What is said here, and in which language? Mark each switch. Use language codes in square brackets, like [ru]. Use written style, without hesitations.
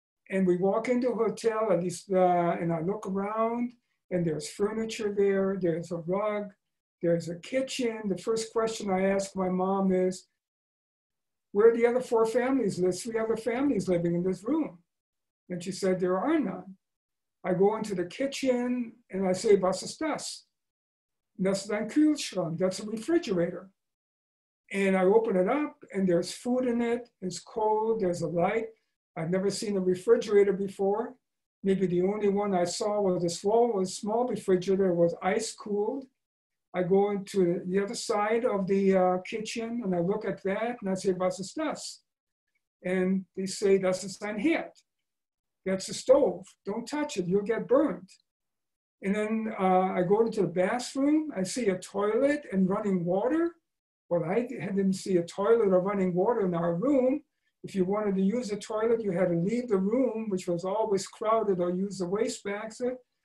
[en] And we walk into a hotel, at least, and I look around, and there's furniture there, there's a rug, there's a kitchen. The first question I ask my mom is, where are the other four families? There's three other families living in this room. And she said, there are none. I go into the kitchen and I say, [de] was ist das? Das ist ein Kühlschrank, [en] that's a refrigerator. And I open it up and there's food in it, it's cold, there's a light. I've never seen a refrigerator before. Maybe the only one I saw was a small refrigerator, it was ice cooled. I go into the other side of the kitchen and I look at that and I say, [de] was ist das? [en] And they say, [de] das ist ein Herd. [en] That's a stove, don't touch it, you'll get burned. And then I go into the bathroom, I see a toilet and running water. Well, I didn't see a toilet or running water in our room. If you wanted to use a toilet, you had to leave the room, which was always crowded, or use the waste basket.